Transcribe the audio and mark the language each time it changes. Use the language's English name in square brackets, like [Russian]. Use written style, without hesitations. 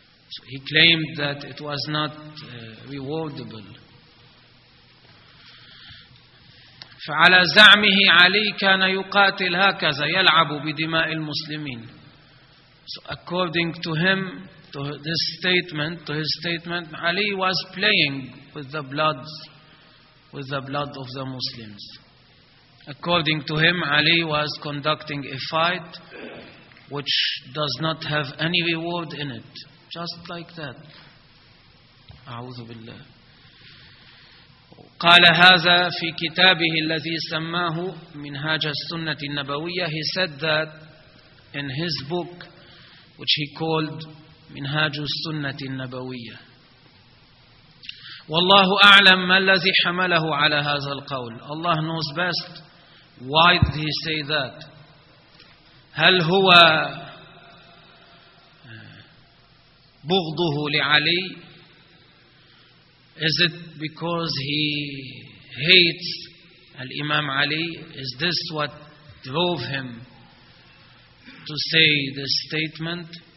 [English] So he claimed that it was not rewardable. [Arabic] فعلى زعمه علي كان يقاتل هكذا يلعب بدماء المسلمين. [English] So according to him, to his statement, Ali was playing with the blood of the Muslims. According to him, Ali was conducting a fight which does not have any reward in it. Just like that. [Arabic] أعوذ بالله. قال هذا في كتابه الذي سماه منهاج السنة النبوية. [English] He said that in his book which he called منهاج السنة النبوية. [Arabic] والله أعلم ما الذي حمله على هذا القول. [English] Allah knows best. Why did he say that? [Arabic] هل هو بغضه لعلي؟ [English] Is it because he hates Al-Imam Ali? Is this what drove him to say this statement?